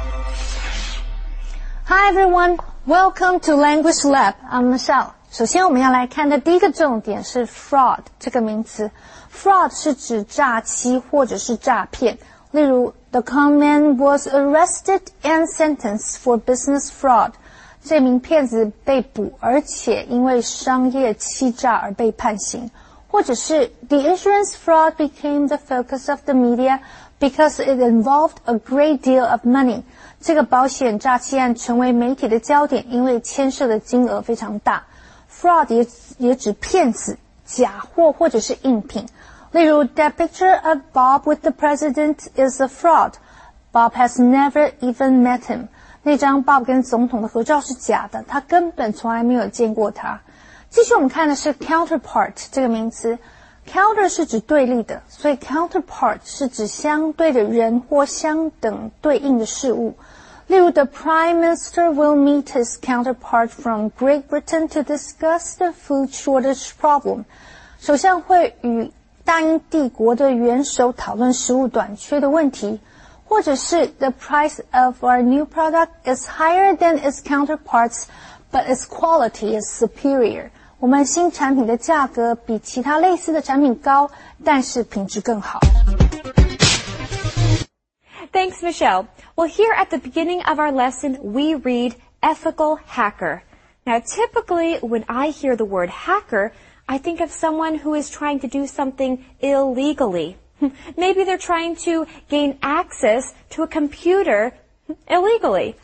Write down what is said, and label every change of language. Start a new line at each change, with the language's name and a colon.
English: Hi, everyone. Welcome to Language Lab. I'm Michelle.
Chinese: 首先我们要来看的第一个重点是 fraud 这个名词。 Fraud 是指诈欺或者是诈骗。例如
English: ,the con man was arrested and sentenced for business fraud.
Chinese: 这名骗子被捕而且因为商业欺诈而被判刑。或者是
English: ,the insurance fraud became the focus of the media because it involved a great deal of money.
Chinese: 这个保险诈欺案成为媒体的焦点，因为牵涉的金额非常大。 Fraud 也指骗子、假货或者是硬品。例如
English: ,that picture of Bob with the president is a fraud. Bob has never even met him.
Chinese: 那张 Bob 跟总统的合照是假的，他根本从来没有见过他。继续我们看的是 counterpart 这个名词。Counter 是指对立的，所以 counterpart 是指相对的人或相等对应的事物。例如
English: ,the Prime Minister will meet his counterpart from Great Britain to discuss the food shortage problem.
Chinese: 首相会与大英帝国的元首讨论食物短缺的问题。或者是
English: ,the price of our new product is higher than its counterparts, but its quality is superior.
Chinese: 我们新产品的价格比其他类似的产品高，但是品质更好。
English: Thanks, Michelle. Well, here at the beginning of our lesson, we read ethical hacker. Now, typically, when I hear the word hacker, I think of someone who is trying to do something illegally. Maybe they're trying to gain access to a computer illegally.